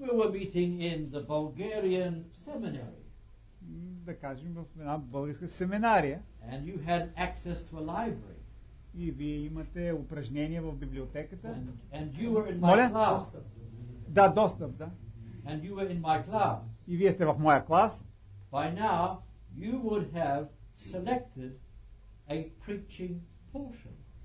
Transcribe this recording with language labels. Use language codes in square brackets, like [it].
[en] if we were meeting in the Bulgarian seminary, [bg] да кажем в една българска семинария, [en] and you had access to a library, [bg] и вие имате упражнения в библиотеката, [en] and you were in my class, [bg] да, достъп, да, [en] and you were in my class, [bg] и вие сте в моя клас, [en] by now you would have selected a preaching portion.